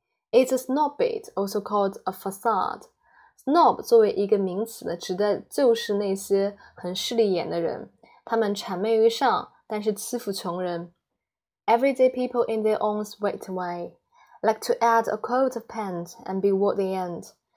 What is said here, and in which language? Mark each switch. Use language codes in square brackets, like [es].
[en] It's a snob bit, also called a facade。 [zh] Snob 作为一个名词呢，指的就是那些很势利眼的人，他们谄媚于上，但是欺负穷人。 [en] Everyday people in their own sweet way, like to add a coat of paint and be what they end.